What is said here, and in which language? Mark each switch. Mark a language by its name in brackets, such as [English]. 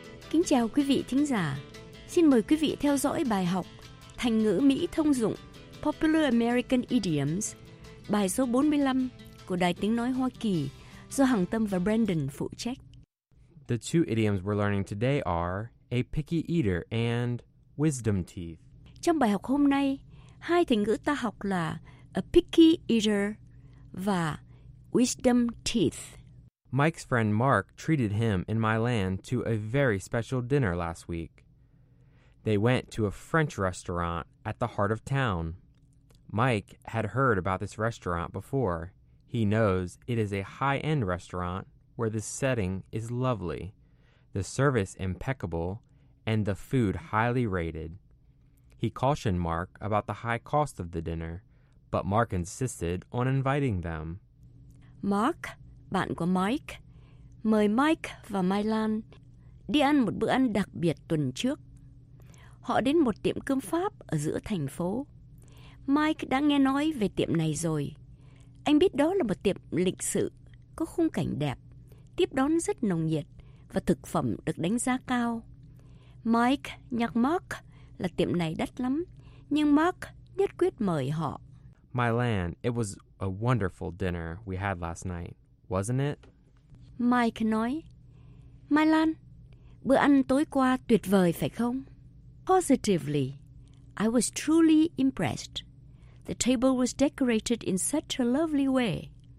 [Vietnamese] Kính chào quý vị thính giả. Xin mời quý vị theo dõi bài học Thành ngữ Mỹ thông dụng [English] Popular American Idioms, [Vietnamese] bài số 45 của Đài Tiếng Nói Hoa Kỳ do Hằng Tâm và Brandon phụ trách. [English] The two idioms we're learning today are a picky eater and wisdom teeth. [Vietnamese] Trong bài học hôm nay, Hai thành ngữ ta học là [English] a picky eater [Vietnamese] và [English] wisdom teeth. Mike's friend Mark treated him in my land to a very special dinner last week. They went to a French restaurant at the heart of town. Mike had heard about this restaurant before. He knows it is a high-end restaurant where the setting is lovely, the service impeccable, and the food highly rated. He cautioned Mark about the high cost of the dinner, but Mark insisted on inviting them. [Vietnamese] Mark, bạn của Mike, mời Mike và Mylan đi ăn một bữa ăn đặc biệt tuần trước. Họ đến một tiệm cơm Pháp ở giữa thành phố. Mike đã nghe nói về tiệm này rồi. Anh biết đó là một tiệm lịch sự, có khung cảnh đẹp, tiếp đón rất nồng nhiệt và thực phẩm được đánh giá cao. Mike nhắc Mark là tiệm này đắt lắm, nhưng Mark nhất quyết mời họ. [English] My land, it was a wonderful dinner we had last night, wasn't it? [Vietnamese] Mike nói, [English] My land, [Vietnamese] bữa ăn tối qua tuyệt vời phải không? [English] Positively, I was truly impressed. The table was decorated in such a lovely way.